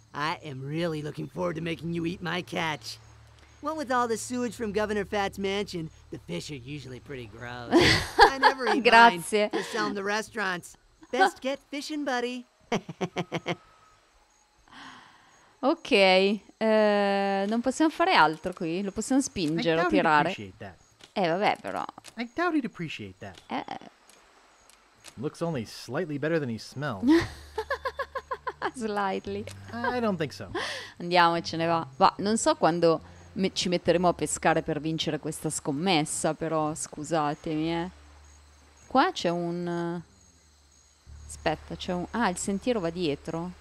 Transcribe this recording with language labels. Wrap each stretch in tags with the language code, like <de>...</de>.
<en>I am really looking forward to making you eat my catch. What with all the sewage from Governor Fat's mansion, the fish are usually pretty gross. I never eat</en> <it>Grazie.</it> <en>Mine. Just sell them to restaurants. Best get fishing, buddy.</en> <it>Ok, non possiamo fare altro qui. Lo possiamo spingere, I tirare.</it> <en>That.</en> <it>Vabbè, però.</it> <en>I doubt he'd appreciate that. Looks only slightly better than he smells. Slightly. I don't think so.</en> <it>Andiamo, ce ne va. Va, non so quando ci metteremo a pescare per vincere questa scommessa, però scusatemi, Qua c'è un... Aspetta, c'è un... Ah, il sentiero va dietro?</it>